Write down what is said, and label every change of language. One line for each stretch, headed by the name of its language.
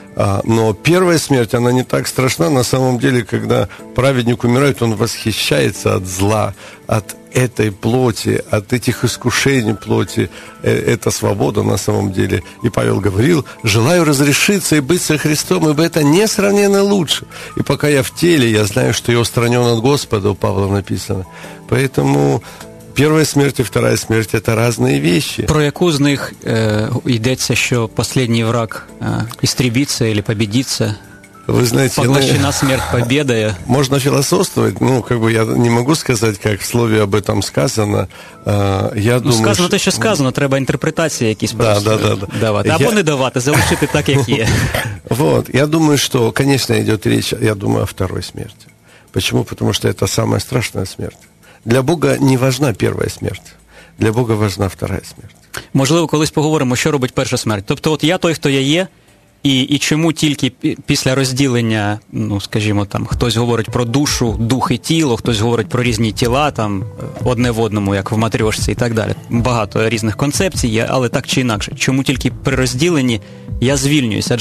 Russian: Но первая смерть, она не так страшна. На самом деле, когда праведник умирает, он восхищается от зла, от этой плоти, от этих искушений плоти. Это свобода на самом деле. И Павел говорил: «Желаю разрешиться и быть со Христом, ибо это несравненно лучше. И пока я в теле, я знаю, что я устранен от Господа», у Павла написано. Поэтому первая смерть и вторая смерть – это разные вещи.
Ukrainian: Про яку з них йдеться, що последній враг істрібиться или побідиться? Ви знаєте, поглощена смерть побідає. Можна філософствувати, ну, как бы я не можу сказати, як в слові
Russian: об этом сказано.
Ukrainian: Я думаю, сказано те, що сказано, треба інтерпретації якісь просто давати. Або не давати, залишити так, як є. Вот, я думаю, що, звісно, йде річ, я думаю,
Russian: о второй смерти. Почему? Потому что это самая страшная смерть. Для Бога не важна
Ukrainian: перша
Russian: смерть. Для Бога важна втора смерть.
Ukrainian: Можливо, колись поговоримо, що робить перша смерть. Тобто, от я той, хто я є, і чому тільки після розділення, ну, скажімо, там, хтось говорить про душу, дух і тіло, хтось говорить про різні тіла, там, одне в одному, як в матрьошці і так далі. Багато різних концепцій є, але так чи інакше. Чому тільки при розділенні я звільнююсь?